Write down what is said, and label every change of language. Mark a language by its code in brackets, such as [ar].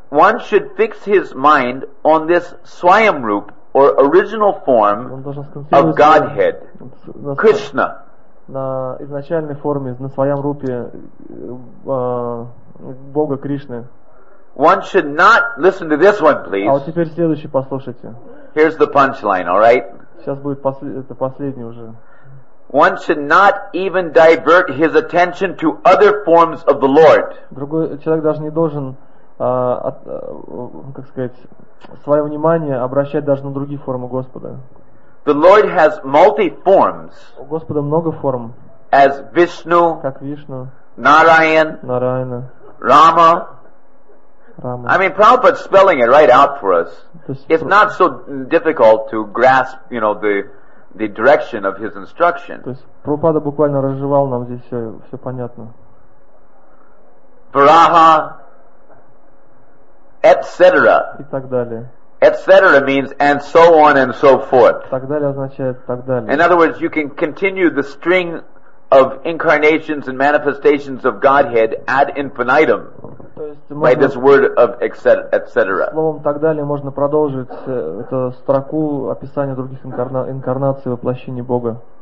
[en] One should fix his mind on this swayam rup or original form of Godhead, Krishna. [ru] На изначальной форме, на своем рупе Бога Кришны. [en] One should not listen to this one, please. [ru] А вот теперь следующий послушайте. [en] Here's the punchline, all right? [ru] Сейчас будет это последний уже. [en] One should not even divert his attention to other forms of the Lord. [ru] Другой человек даже не должен, свое внимание обращать даже на другие формы Господа. [en] The Lord has multi forms. [ru] У Господа много форм. [en] As Vishnu, [ru] как Вишну, [en] Narayan, [ru] Нараяна, [en] Rama. I mean, Prabhupada's spelling it right out for us. It's not so difficult to grasp, you know, the direction of his instruction. [ru] То есть Прабхупада буквально разжевал нам здесь все понятно. [en] Varaha, etc. [ru] И так далее. [en] Etc. means and so on and so forth. [ru] Так далее означает так далее. [en] In other words, you can continue the string of incarnations and manifestations of Godhead ad infinitum. [ru] То есть [en] by [ru] можно, [en] this word of etc. [ru] Словом так далее можно продолжить эту строку описания других инкарнаций воплощения Бога.